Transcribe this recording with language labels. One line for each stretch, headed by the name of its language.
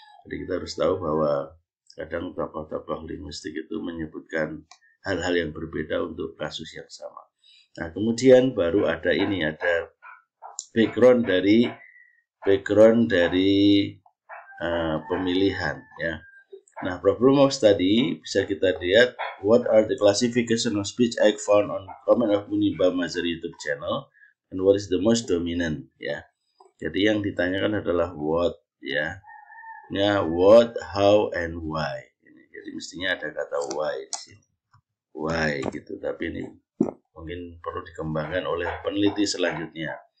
Indonesian: Jadi kita harus tahu bahwa kadang tokoh-tokoh linguistik itu menyebutkan hal-hal yang berbeda untuk kasus yang sama. Nah, kemudian baru ada ini, ada background dari pemilihan, ya.
English: Nah, problem of study
Indonesian: bisa kita lihat
English: what are the classification of speech act found on comment of Munibah Mazhari YouTube channel and what is the most dominant, ya.
Indonesian: Jadi yang ditanyakan adalah what, ya. Ya, what, how, and why. Ini, jadi mestinya ada kata why di sini. Why gitu, tapi ini mungkin perlu dikembangkan oleh peneliti selanjutnya.